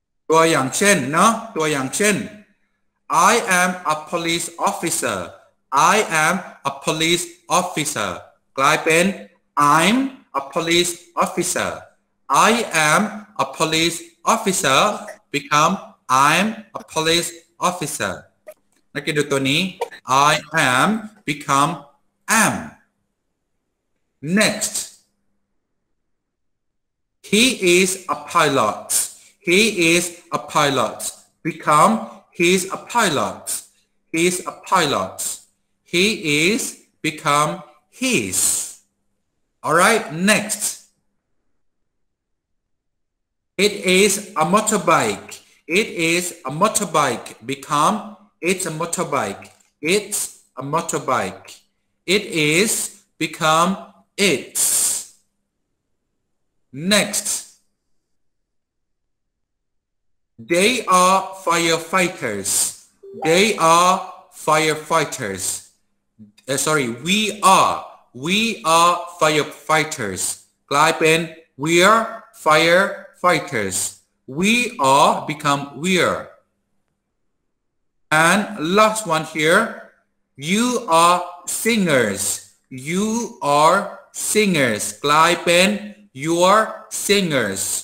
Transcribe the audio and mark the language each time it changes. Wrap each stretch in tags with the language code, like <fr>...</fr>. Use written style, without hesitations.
<th>ตัวอย่างเช่นเนาะตัวอย่างเช่น</th> <en>I am a police officer. I am a police officer.</en> <th>กลายเป็น</th> <en>I'm a police officer. I am a police officer. Become I'm a police officer.</en> <th>นักเรียนดูตัวนี้</th> <en>I am become am. Next. He is a pilot. He is a pilot. Become he's a pilot. He's a pilot. He is become his. All right, next. It is a motorbike. It is a motorbike. Become it's a motorbike. It's a motorbike. It is become it's. Next. They are firefighters. They are firefighters. Sorry, we are firefighters.</en> <th>กลายเป็น</th> <en>we are firefighters. We are become we're. And last one here, you are singers. You are singers.</en> <th>กลายเป็น</th> <en>you're singers.</en>